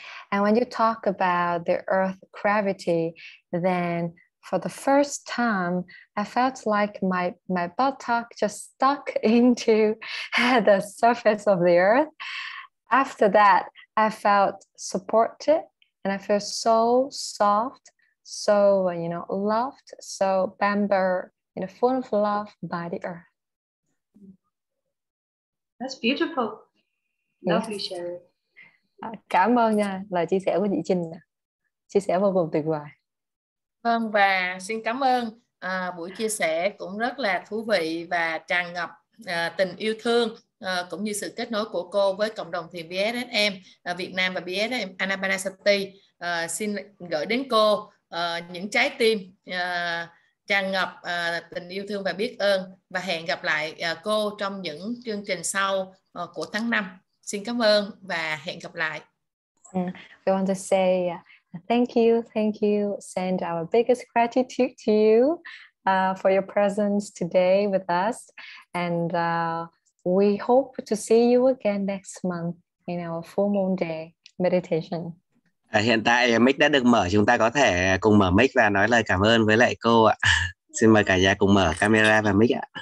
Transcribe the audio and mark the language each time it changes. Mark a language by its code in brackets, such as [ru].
[en] And when you talk about the earth gravity, then for the first time, I felt like my buttock just stuck into the surface of the earth. After that, I felt supported and I feel so soft, so, you know, loved, so pampered, you know, full of love by the earth. That's beautiful. Lovely, yes. [vi] Sherry. Cảm ơn nha, lời chia sẻ của chị Trinh. Chia sẻ vô cùng tuyệt vời. Vâng, và xin cảm ơn Buổi chia sẻ cũng rất là thú vị và tràn ngập tình yêu thương cũng như sự kết nối của cô với cộng đồng thiền BSSM Việt Nam và BSSM Anapanasati. Xin gửi đến cô những trái tim tràn ngập tình yêu thương và biết ơn, và hẹn gặp lại cô trong những chương trình sau của tháng 5. Xin cảm ơn và hẹn gặp lại. [en] We want to say thank you, send our biggest gratitude to you for your presence today with us, and we hope to see you again next month in our full moon day meditation. [vi] Hiện tại mic đã được mở, chúng ta có thể cùng mở mic và nói lời cảm ơn với lại cô ạ. Xin mời cả nhà cùng mở camera và mic ạ.